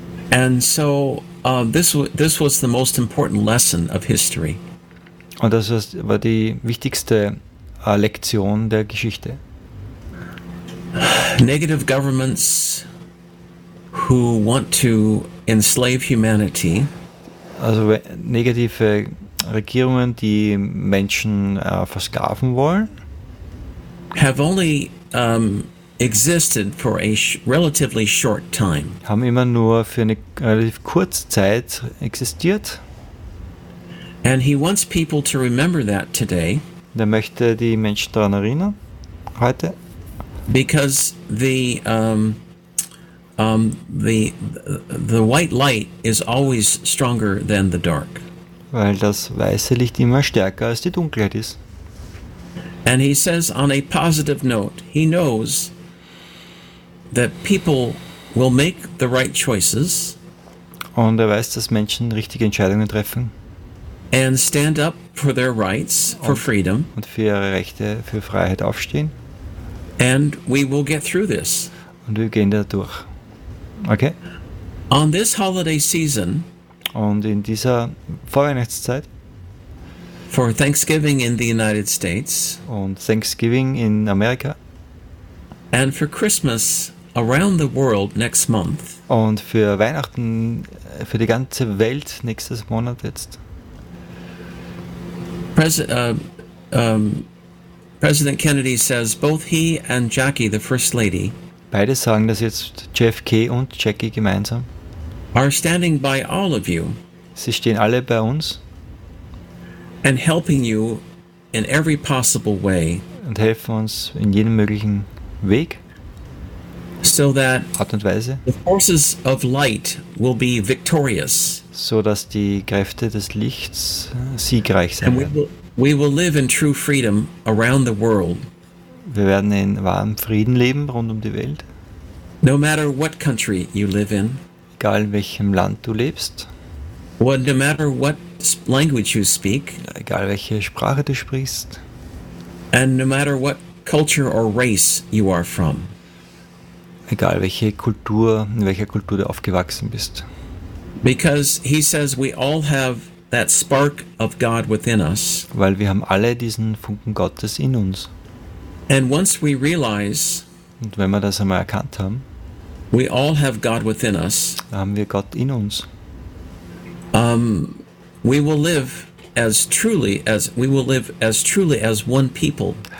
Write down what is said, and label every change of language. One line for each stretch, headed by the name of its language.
English: And so this was the most important lesson of history.
German: Und das war die wichtigste Lektion der Geschichte.
English: Negative governments who want to enslave humanity.
German: Also negative Regierungen, die Menschen versklaven wollen,
English: have only existed for a relatively short time.
German: Haben immer nur für eine relativ kurze Zeit existiert.
English: And he wants people to remember that today.
German: Der möchte die Menschen daran erinnern heute.
English: Because the white light is always stronger than the dark.
German: Weil das weiße Licht immer stärker als die Dunkelheit ist.
English: And he says on a positive note, he knows that people will make the right choices.
German: Und er weiß, dass Menschen richtige Entscheidungen treffen.
English: And stand up for their rights, for freedom.
German: Und für ihre Rechte, für Freiheit aufstehen.
English: And we will get through this.
German: Und wir gehen da durch. Okay?
English: On this holiday season.
German: Und in dieser Vorweihnachtszeit.
English: For Thanksgiving in the United States.
German: Und Thanksgiving in Amerika.
English: And for Christmas around the world next month.
German: Und für Weihnachten für die ganze Welt nächstes Monat jetzt.
English: President Kennedy says both he and Jackie, the First Lady,
German: beide sagen das jetzt, JFK und Jackie gemeinsam,
English: are standing by all of you.
German: Sie stehen alle bei uns.
English: And helping you in every possible way.
German: Und helfen uns in jedem möglichen Weg.
English: So that
German: Art und Weise.
English: The forces of light will be victorious.
German: So dass die Kräfte des Lichts siegreich sein werden.
English: We will live in true freedom around the world.
German: Wir werden in wahrem Frieden leben rund um die Welt.
English: No matter what country you live in.
German: Egal in welchem Land du lebst.
English: Well, no matter what language you speak.
German: Egal welche Sprache du sprichst.
English: And no matter what culture or race you are from.
German: Egal welche Kultur, in welcher Kultur du aufgewachsen bist.
English: Because he says we all have that spark of God within us.
German: Weil wir haben alle diesen Funken Gottes in uns.
English: And once we realize,
German: und wenn wir das einmal erkannt haben,
English: we all have God within us,
German: haben wir Gott in uns.
English: We will live as truly as we will live as truly as one people.